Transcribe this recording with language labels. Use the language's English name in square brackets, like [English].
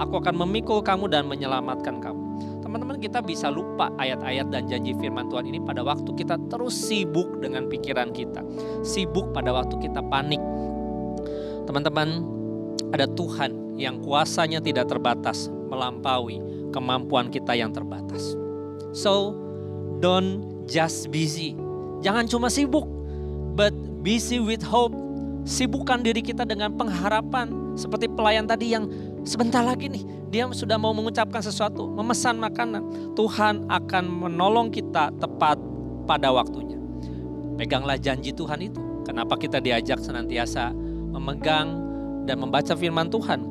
[Indonesian] Aku akan memikul kamu dan menyelamatkan kamu. Teman-teman, kita bisa lupa ayat-ayat dan janji firman Tuhan ini pada waktu kita terus sibuk dengan pikiran kita. Sibuk pada waktu kita panik. Teman-teman, ada Tuhan yang kuasanya tidak terbatas melampaui kemampuan kita yang terbatas. [English] So, don't just busy. [Indonesian] Jangan cuma sibuk, [English] but busy with hope. [Indonesian] Sibukkan diri kita dengan pengharapan. Seperti pelayan tadi yang sebentar lagi nih, dia sudah mau mengucapkan sesuatu, memesan makanan. Tuhan akan menolong kita tepat pada waktunya. Peganglah janji Tuhan itu. Kenapa kita diajak senantiasa memegang dan membaca firman Tuhan?